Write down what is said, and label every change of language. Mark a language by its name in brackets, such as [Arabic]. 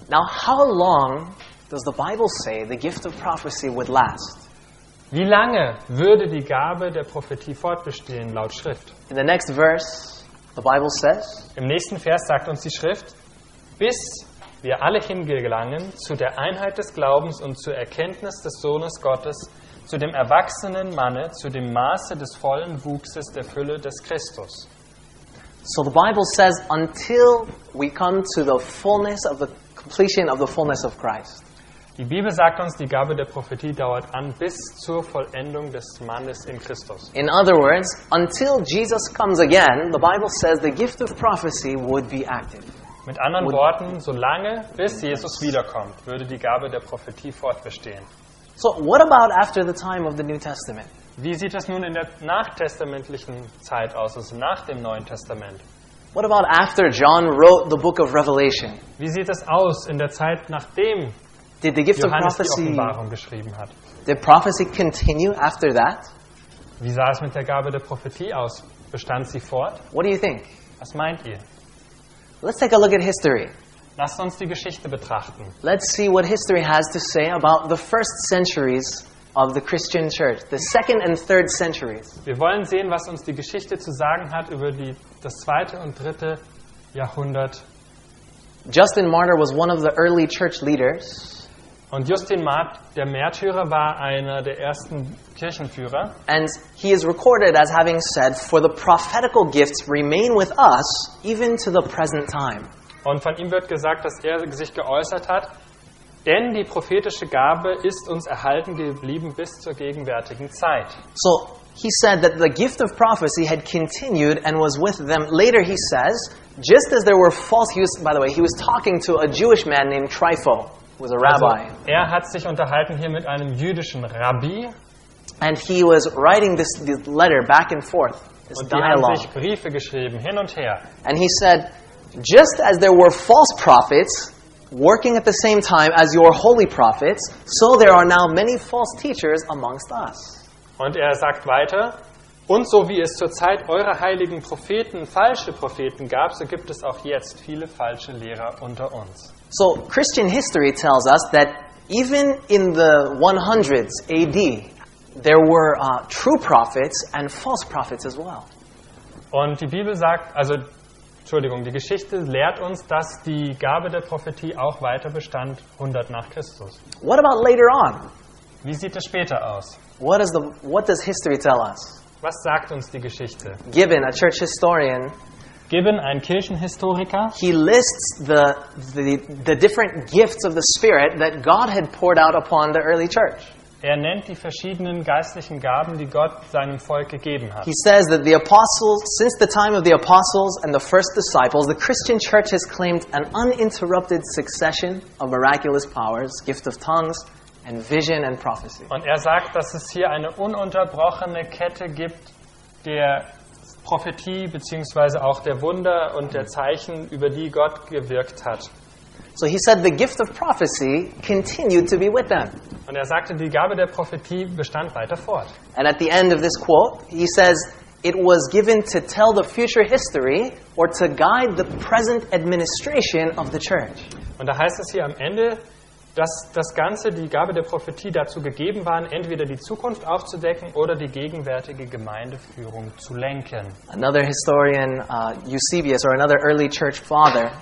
[English] Now, how long does the Bible say the gift of prophecy would last? [German] Wie lange würde die Gabe der Prophetie fortbestehen laut Schrift? [English] In the next verse, the Bible says. [German] Im nächsten Vers sagt uns die Schrift, bis wir alle hingelangen zu der Einheit des Glaubens und zur Erkenntnis des Sohnes Gottes, zu dem erwachsenen Manne, zu dem Maße des vollen Wuchses der Fülle des Christus. [English] So the Bible says, until we come to the fullness of the completion of the fullness of Christ. [German] Die Bibel sagt uns, die Gabe der Prophetie dauert an bis zur Vollendung des Mannes in Christus. [English] In other words, until Jesus comes again, the Bible says the gift of prophecy would be active. [German] Mit anderen Worten, solange bis Jesus wiederkommt, würde die Gabe der Prophetie fortbestehen. [English] So what about after the time of the New Testament? [German] Wie sieht es nun in der nachtestamentlichen Zeit aus, also nach dem Neuen Testament? [English] What about after John wrote the book of Revelation? [German] Wie sieht es aus in der Zeit nachdem [English] did the gift [German] Johannes [English] of prophecy, [German] die Offenbarung geschrieben hat? [English] Did prophecy continue after that? [German] Wie sah es mit der Gabe der Prophetie aus? Bestand sie fort? [English] What do you think? [German] Was meint ihr? [English] Let's take a look at history. [German] Lasst uns die Geschichte betrachten. [English] Let's see what history has to say about the first centuries of the Christian church, the second and third centuries. [German] Wir wollen sehen, was uns die Geschichte zu sagen hat über das zweite und dritte Jahrhundert. [English] Justin Martyr was one of the early church leaders. [German] Und Justin Martyr, der Märtyrer, war einer der ersten Kirchenführer. [English] And he is recorded as having said, "For the prophetical gifts remain with us even to the present time." [German] Und von ihm wird gesagt, dass er sich geäußert hat, denn die prophetische Gabe ist uns erhalten geblieben bis zur gegenwärtigen Zeit. [English] So he said that the gift of prophecy had continued and was with them. Later he says, just as there were false Jews, by the way, he was talking to a Jewish man named Trypho, who was a rabbi. [German] Also, er hat sich unterhalten hier mit einem jüdischen Rabbi. [English] And he was writing this letter back and forth, this dialogue. [German] Und die haben sich Briefe geschrieben, hin und her. [English] And he said, just as there were false prophets working at the same time as your holy prophets, so there are now many false teachers amongst us. [German] Und er sagt weiter, und so wie es zur Zeit eurer heiligen Propheten falsche Propheten gab, so gibt es auch jetzt viele falsche Lehrer unter uns. [English] So Christian history tells us that even in the 100s AD there were true prophets and false prophets as well. [German] Und die Bibel sagt, also Entschuldigung, die Geschichte lehrt uns, dass die Gabe der Prophetie auch weiter bestand 100 nach Christus. [English] What about later on? [German] Wie sieht es später aus? [English] What does history tell us? [German] Was sagt uns die Geschichte? [English] Gibbon, a church historian, [German] Gibbon, ein Kirchenhistoriker, [English] he lists the different gifts of the Spirit that God had poured out upon the early church. [German] Er nennt die verschiedenen geistlichen Gaben, die Gott seinem Volk gegeben hat. [English] He says that the apostles, since the time of the apostles and the first disciples, the Christian church has claimed an uninterrupted succession of miraculous powers, gift of tongues, and vision and prophecy. [German] Und er sagt, dass es hier eine ununterbrochene Kette gibt der Prophetie bzw. auch der Wunder und der Zeichen, über die Gott gewirkt hat. [English] So he said the gift of prophecy continued to be with them. [German] Und er sagte, die Gabe der Prophetie bestand weiter fort. [English] And at the end of this quote, he says it was given to tell the future history or to guide the present administration of the church. [German] Und da heißt es hier am Ende, dass das Ganze, die Gabe der Prophetie, dazu gegeben waren, entweder die Zukunft aufzudecken oder die gegenwärtige Gemeindeführung zu lenken. [English] Another historian, Eusebius, or another early church father,